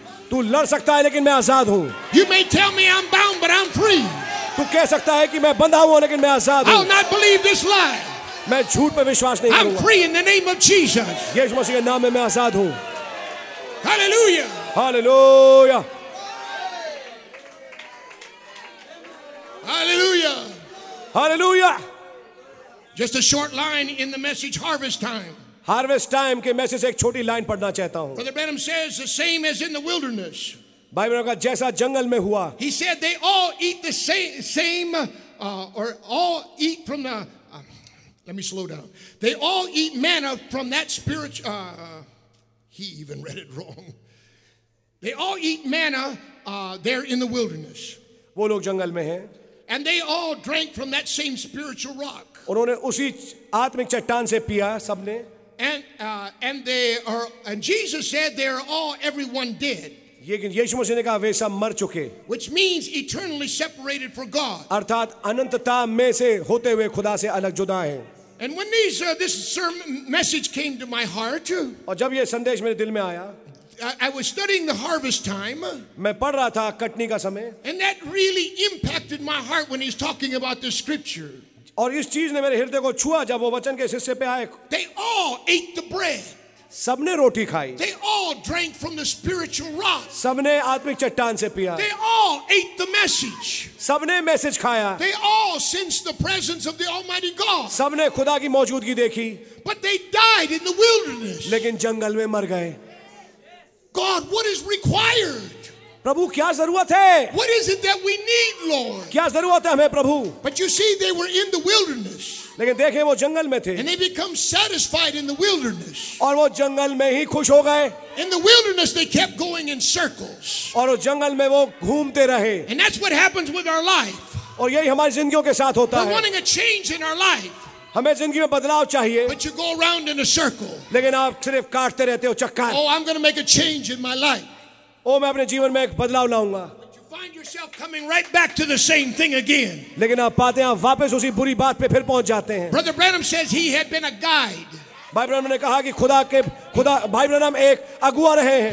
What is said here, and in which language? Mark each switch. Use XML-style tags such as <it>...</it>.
<hi>तू लड़ सकता है लेकिन मैं आजाद हूँ.</hi> <en>You may tell me I'm bound, but I'm free.</en> <hi>तू कह सकता है कि मैं बंधा हूँ लेकिन मैं आजाद</hi> <en>हूँ. I'll not believe this lie.</en> <hi>मैं झूठ पर विश्वास नहीं करूंगा.</hi> <en>I'm free in the name of Jesus.</en> <hi>यीशु मसीह के नाम में मैं आजाद हूं.</hi> <en>Hallelujah. Hallelujah. Hallelujah. Hallelujah. Just a short line in the message, harvest time.</en> <hi>Harvest time के मैसेज से एक छोटी लाइन पढ़ना चाहता हूं.</hi> <en>Brother Branham says the same as in the wilderness.</en> <hi>Bible का जैसा जंगल में हुआ.</hi> <en>He said they all eat the same, or all eat from the Let me slow down. They all eat manna from that spiritual, he even read it wrong. They all eat manna there in the wilderness.</en> <hi>वो लोग जंगल में हैं.</hi> <en>And they all drank from that same spiritual rock.</en> <hi>उन्होंने उसी आत्मिक चट्टान से पिया सबने.</hi> <en>And Jesus said they are all everyone dead.</en> <hi>यीशु मसीह ने कहा वे सब मर चुके.</hi> <en>Which means eternally separated from God.</en> <hi>अर्थात अनंतता में से होते हुए खुदा से अलग जुदा हैं.</hi> <en>And when this sermon message came to my heart,</en> <hi>और जब ये संदेश मेरे दिल में आया,</hi> <en>I was studying the harvest time.</en> <hi>मैं पढ़ रहा था कटनी का समय.</hi> <en>And that really impacted my heart when he's talking about the scripture.</en> <hi>और इस चीज ने मेरे हृदय को छुआ जब वो वचन के हिस्से पे आए.</hi> <en>They all ate the bread.</en> <hi>सबने रोटी खाई.</hi> <en>They all drank from the spiritual rock.</en> <hi>सबने आत्मिक चट्टान से पिया.</hi> <en>They all ate the message.</en> <hi>सबने मैसेज खाया.</hi> <en>They all sensed the presence of the Almighty God.</en> <hi>सबने खुदा की मौजूदगी देखी.</hi> <en>But they died in the wilderness.</en> <hi>लेकिन जंगल में मर गए.</hi> <en>God, what is required?</en> <hi>प्रभु क्या जरूरत है?</hi> <en>What is it that we need, Lord?</en> <hi>क्या जरूरत है हमें प्रभु?</hi> <en>But you see, they were in the wilderness.</en> <hi>लेकिन देखें वो जंगल में थे.</hi> <en>And they become satisfied in the wilderness.</en> <hi>और वो जंगल में ही खुश हो गए.</hi> <en>In the wilderness, they kept going in circles.</en> <hi>और वो जंगल में वो घूमते रहे.</hi> <en>And that's what happens with our life.</en> <hi>और यही हमारी जिंदगियों के साथ होता</hi> <en>है. We're wanting a change in our life.</en> <hi>हमें जिंदगी में बदलाव चाहिए.</hi> <en>But you go around in a circle.</en> <hi>लेकिन आप सिर्फ काटते रहते हो चक्कर.</hi> <en>Oh, I'm going to make a change in my life.</en> <hi>Oh, मैं अपने जीवन में एक बदलाव लाऊंगा.</hi> <en>Find yourself coming right back to the same thing again.</en> <hi>लेकिन आप पाते हैं आप वापस उसी बुरी बात पे फिर पहुंच जाते हैं.</hi> <en>Brother Branham says he had been a guide.</en> <hi>भाई ब्रैनम ने कहा कि खुदा भाई ब्रैनम एक अगुआ रहे हैं.</hi>